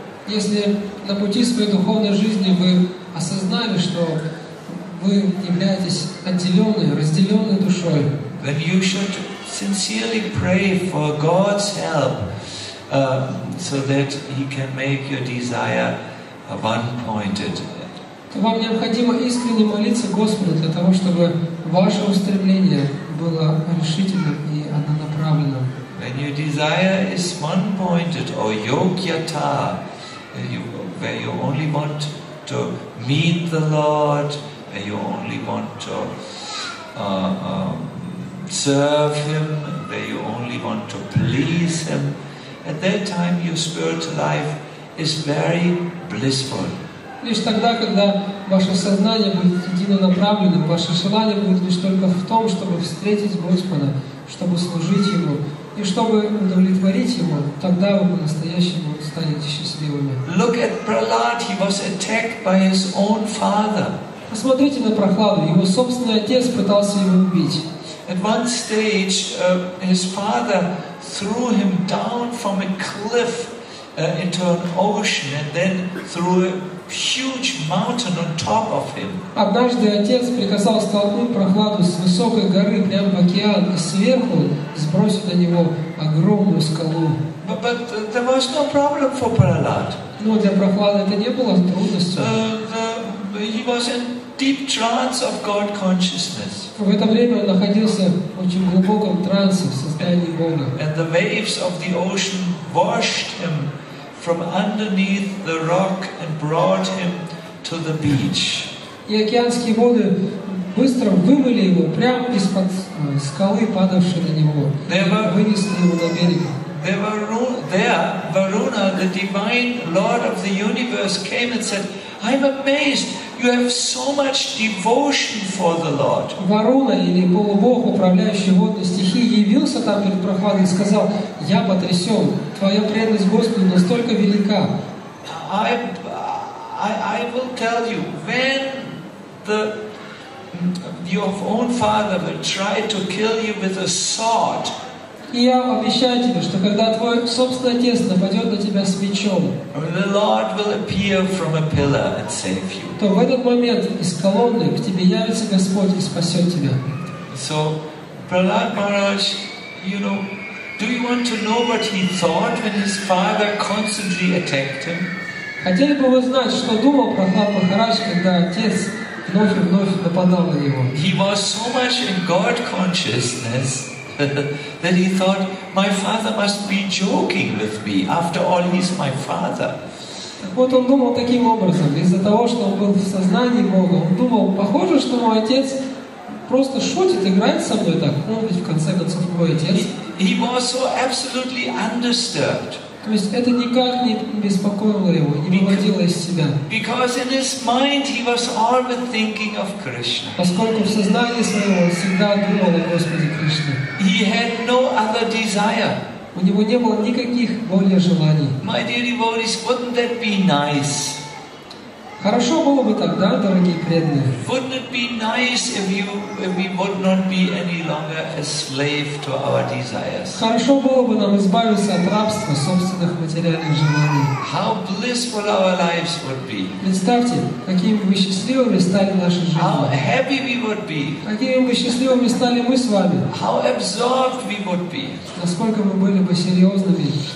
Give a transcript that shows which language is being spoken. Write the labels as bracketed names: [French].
[Russian] Если на пути своей духовной жизни вы осознали, что вы являетесь отделенной, разделенной душой, [English] then you should sincerely pray for God's help, so that He can make your desire one-pointed. [Russian] То вам необходимо искренне молиться Господу для того, чтобы ваше устремление было решительным и однонаправленным. [English] When your desire is one-pointed or yogyata, where you only want to meet the Lord, where you only want to serve Him, where you only want to please Him, at that time your spiritual life is very blissful. [Russian] Лишь тогда, когда ваше сознание будет единонаправленным, ваше желание будет лишь только в том, чтобы встретить Господа, чтобы служить Ему. И чтобы удовлетворить Его, тогда вы по-настоящему станете счастливыми. [English] Look at Prahlad, he was attacked by his own father. [Russian] Посмотрите на Прохладу, его собственный отец пытался его убить. [English] At one stage, his father threw him down from a cliff into an ocean and then threw a huge mountain on top of him. [Russian] Однажды отец приказал столкнуть Прохладу с высокой горы прямо в океан и сверху сбросить на него огромную скалу. [English] But there was no problem for Prahlad. [Russian] Но для Прохлады это не было трудностью. [English] He was in deep trance of God consciousness. [Russian] В это время он находился в очень глубоком трансе, в состоянии Бога. [English] And the waves of the ocean washed him from underneath the rock and brought him to the beach. [Russian] И океанские воды быстро вымыли его прямо из-под скалы, падавшей на него, вынесли его на берег. [English] There, Varuna, the divine lord of the universe, came and said, I'm amazed, you have so much devotion for the Lord. [Russian] Варуна, или полубог, управляющий водной стихией, явился там перед Прохладой и сказал, я потрясен, твоя преданность Господу настолько велика. [English] I will tell you, when your own father will try to kill you with a sword, [Russian] и я обещаю тебе, что когда твой собственный отец нападет на тебя с мечом, [English] the Lord will appear from a pillar and save you. [Russian] То в этот момент из колонны к тебе явится Господь и спасет тебя. [English] So, Prahlad Maharaj, you know, do you want to know what he thought when his father constantly attacked him? [Russian] Хотели бы вы знать, что думал Прохлад Махарадж, когда отец вновь и вновь нападал на него? [English] He was so much in God consciousness. That he thought, my father must be joking with me. After all, he's my father. [Russian] Вот он думал таким образом, из-за того, что он был в сознании Бога, он думал, похоже, что мой отец просто шутит, играет со мной так. Он ведь в конце концов мой отец. [English] He was so absolutely undisturbed. [Russian] То есть это никак не беспокоило его, не выводило из себя. [English] Because in his mind he was always thinking of Krishna. [Russian] Поскольку в сознании своем он всегда думал о Господе Кришне. [English] He had no other desire. [Russian] У него не было никаких более желаний. [English] My dear devotees, wouldn't that be nice? [Russian] Хорошо было бы тогда, дорогие преданные. [English] Wouldn't it be nice if you, if we would not be any longer a slave to our desires? [Russian] Хорошо было бы нам избавиться от рабства собственных материальных желаний. [English] How blissful our lives would be! [Russian] Представьте, какими бы счастливыми стали наши жизни. [English] How happy we would be! [Russian] Какими бы счастливыми стали мы с вами. [English] How absorbed we would be! [Russian] Насколько мы были бы серьезными.